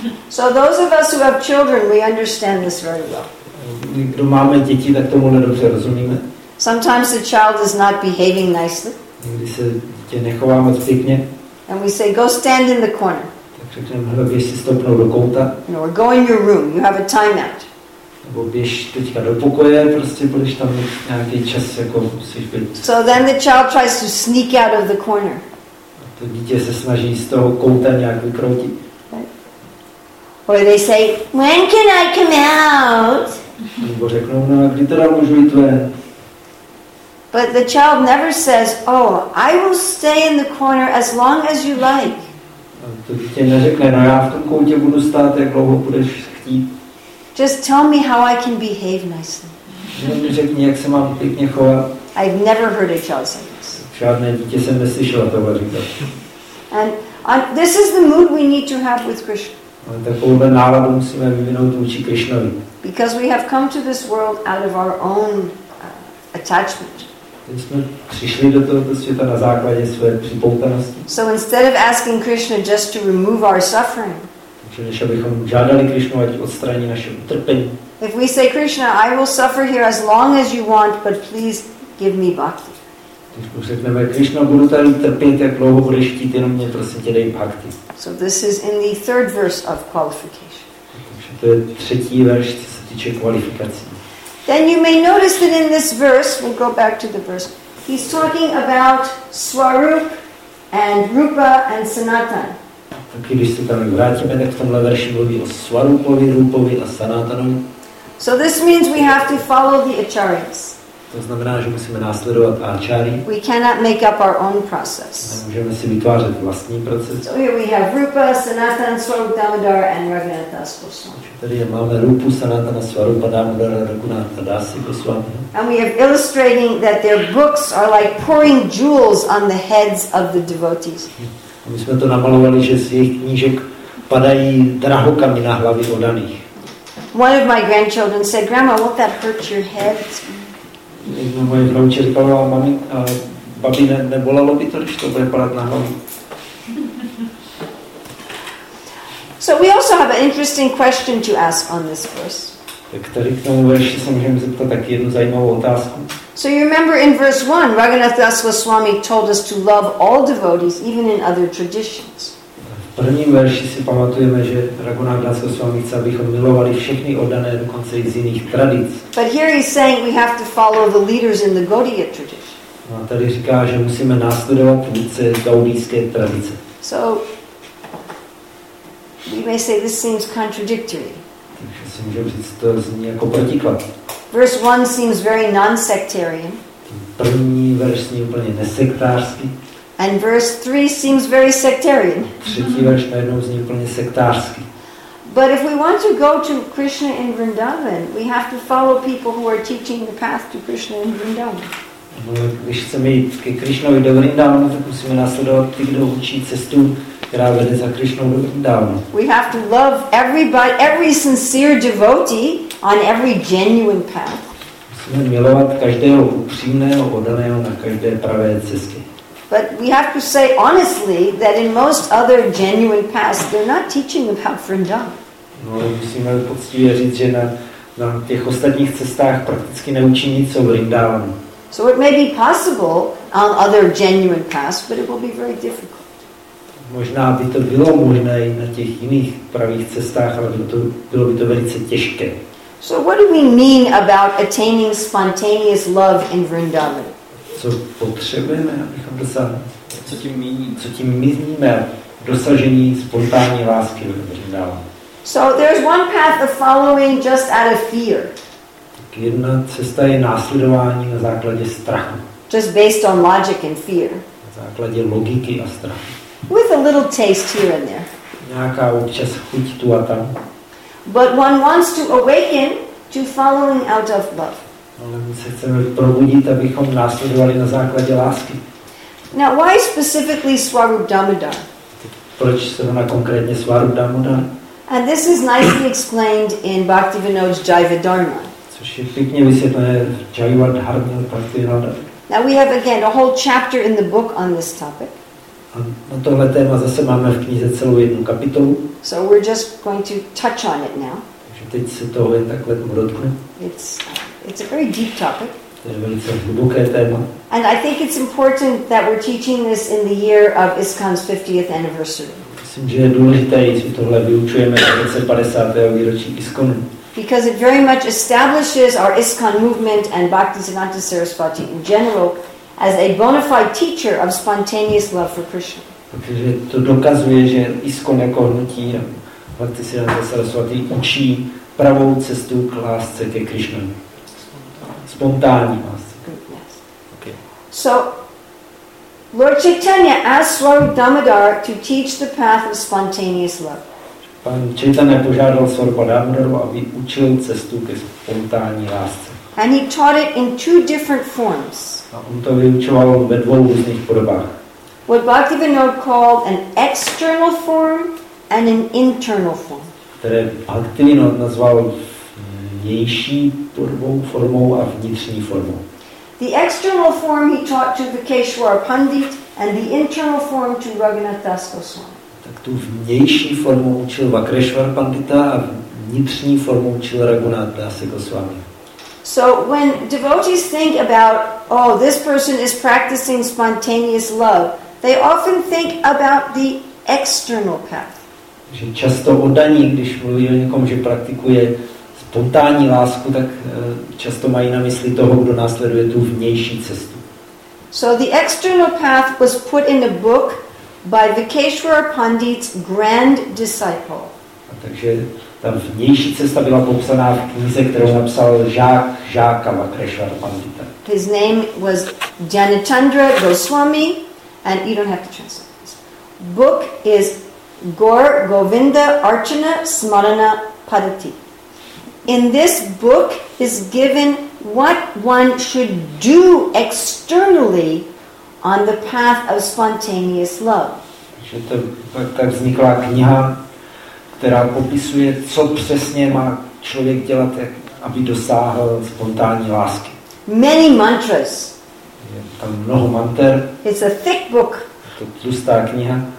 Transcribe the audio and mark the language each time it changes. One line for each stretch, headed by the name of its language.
English: So those of us who have children, we understand this very well.
Czech: Kdo máme děti, tak tomu dobře rozumíme.
English: Sometimes the child is not behaving nicely.
Czech: Někdy se dítě nechová moc pěkně.
English: And we say, go stand in the corner.
Czech: Tak řekneme, hele, běž si stoupnout do kouta.
English: No, or go in your room, you have a timeout.
Czech: Nebo běž teďka do pokoje, prostě budeš tam nějaký čas, jako musíš být.
English: So then the child tries to sneak out of the corner.
Czech: A to dítě se snaží z toho kouta nějak vykroutit.
English: Right. Or they say, when can I come out?
Czech: Nebo řeknou, no a kdy teda můžu jít ven?
English: But the child never says, oh, I will stay in the corner as long as you like.
Czech: A to dítě neřekne, no já v tom koutě budu stát, jak dlouho budeš chtít.
English: Just tell me how I can behave nicely.
Czech: Řekni, jak se mám pěkně chovat.
English: I've never heard a child say this.
Czech: Žádné dítě jsem neslyšel toho říkat.
English: And this is the mood we need to have with Krishna.
Czech: Ale takovouhle náladu musíme vyvinout vůči Krishnovi.
English: Because we have come to this world out of our own attachment.
Czech: Jsme přišli do tohoto světa na základě své připoutanosti.
English: So instead of asking Krishna just to remove our suffering.
Czech: Takže než abychom žádali Krishnu, ať odstraní naše utrpení.
English: If we say Krishna, I will suffer here as long as you want, but please give me bhakti.
Czech: Když řekneme Krishna, budu tady trpět, jak dlouho budeš chtít, jenom mě prosím tě dej bhakti.
English: So this is in the third verse of qualification.
Czech: To je třetí verš, co se týče kvalifikací.
English: Then you may notice that in this verse, we'll go back to the verse, he's talking about Swarup and Rupa and Sanatan.
Czech: Tak když se tam vrátíme, tak v tomhle verši mluví o Swarupovi, Rupovi a Sanatanovi.
English: So this means we have to follow the Acharyas.
Czech: To znamená, že musíme následovat Achary.
English: We cannot make up our own process.
Czech: Nemůžeme si vytvářet vlastní proces.
English: So here we have Rupa, Sanatan, Swarup, Damodar and Raghunath Das Goswami.
Czech: Tady máme Rupu, Sanatana, Swarupa, Damodar a Raghunath Das Goswami.
English: And we have illustrating that their books are like pouring jewels on the heads of the devotees.
Czech: A my jsme to namalovali, že z jejich knížek padají drahokamy na hlavy odaných.
English: One of my grandchildren said, Grandma, won't that hurt your head?
Czech: Jedna moje vnouče říkala, mami, a babi, nebolalo by to, když to bude padat na hlavu.
English: So we also have an interesting question to ask on this verse.
Czech: Tak tady k tomu verši se můžeme zeptat taky jednu zajímavou otázku.
English: So you remember in verse 1, Raghunath Das Goswami told us to love all devotees, even in other traditions.
Czech: V prvním verši si pamatujeme, že Raghunath Das Goswami chce, abychom milovali všechny oddané, dokonce i z jiných tradic.
English: But here he's saying we have to follow the leaders in the Gaudiya tradition.
Czech: No a tady říká, že musíme následovat vůdce gaudijské tradice.
English: So we may say this seems contradictory.
Czech: Takže si můžeme říct, to zní jako protiklad.
English: Verse 1 seems very non-sectarian.
Czech: První verš zní úplně nesektářský.
English: And verse 3 seems very sectarian.
Czech: Třetí verš najednou zní úplně sektářský.
English: But if we want to go to Krishna in Vrindavan, we have to follow people who are teaching the path to Krishna in Vrindavan.
Czech: No, když chceme jít ke Krishnovi do Vrindavanu, tak musíme následovat ty, kdo učí cestu která vede za Krišnou Vrindavan.
English: We have to love everybody, every sincere devotee on every genuine path.
Czech: Musíme milovat každého upřímného, oddaného na každé pravé cestě.
English: But we have to say honestly that in most other genuine paths they're not teaching about Vrindavan.
Czech: No, musíme poctivě říct, že na těch ostatních cestách prakticky neučí nic o Vrindavanu.
English: So it may be possible on other genuine paths, but it will be very difficult.
Czech: Možná by to bylo možné i na těch jiných pravých cestách, ale bylo by to velice těžké.
English: So what do we mean about attaining spontaneous love in Vrindavan?
Czech: Co potřebujeme, abychom dosáhli? Co tím míníme? Dosažení spontánní lásky v Vrindavanu.
English: So there's one path of following just out of fear.
Czech: Jedna cesta je následování na základě strachu.
English: Just based on logic and fear.
Czech: Na základě logiky a strachu.
English: With a little taste here and there.
Czech: Nějaká občas chuť tu a tam.
English: But one wants to awaken to following out of love.
Czech: Ale my se chceme probudit, abychom následovali na základě lásky.
English: Now why specifically Swarup Damodar?
Czech: Proč zrovna konkrétně Swarup Damodar?
English: And this is nicely explained in Bhaktivinoda's Jiva Dharma.
Czech: Což je pěkně vysvětlené v Jiva Dharma Bhaktivinoda.
English: Now we have again a whole chapter in the book on this topic.
Czech: A na tohle téma zase máme v knize celou jednu kapitolu.
English: So we're just going to touch on it now.
Czech: Takže teď se toho jen takhle dotknu.
English: It's a very deep topic.
Czech: To je velice hluboké téma.
English: And I think it's important that we're teaching this in the year of ISKCON's 50th anniversary.
Czech: Myslím, že je důležité, že tohle vyučujeme v roce 50. výročí ISKCONu.
English: Because it very much establishes our ISKCON movement and Bhaktisiddhanta Sarasvati in general as a bona fide teacher of spontaneous love for Krishna.
Czech: Protože to dokazuje, že ISKCON jako hnutí a Bhaktisiddhanta Sarasvati učí pravou cestu k lásce ke Krishna. Spontánní lásce.
English: Yes. Okay. So, Lord Chaitanya asked Swarup Damodar to teach the path of spontaneous love.
Czech: Pan Chaitanya požádal Swarupa Damodaru, aby učil cestu ke spontánní lásce.
English: And he taught it in two different forms.
Czech: A on to vyučoval ve dvou různých podobách.
English: What Bhaktivinoda called an external form and an internal form.
Czech: Které Bhaktivinoda nazval vnější podobou formou a vnitřní formou.
English: The external form he taught to the Keshwar Pandit and the internal form to Raghunath Das Goswami.
Czech: Tak tu vnější formu učil Vakreshwar Pandita a vnitřní formu učil Raghunath Das Goswami.
English: So when devotees think about, oh, this person is practicing spontaneous love, they often think about the external path.
Czech: Že často oddaní, když mluví o někom, že praktikuje spontánní lásku, tak často mají na mysli toho, kdo následuje tu vnější cestu.
English: So the external path was put in a book by Vikeshwara Pandit's grand disciple.
Czech: A takže ta vnější cesta byla popsaná v knize, kterou napsal žáka Vakreshwara Pandita.
English: His name was Janachandra Goswami, and you don't have to translate this. Book is Gaur Govinda Archana Smarana Padati. In this book is given what one should do externally on the path of spontaneous love.
Czech: Že to tak vznikla kniha, která popisuje, co přesně má člověk dělat, aby dosáhl spontánní lásky.
English: Many mantras.
Czech: Je tam mnoho mantr.
English: It's a thick book.
Czech: To tlustá kniha.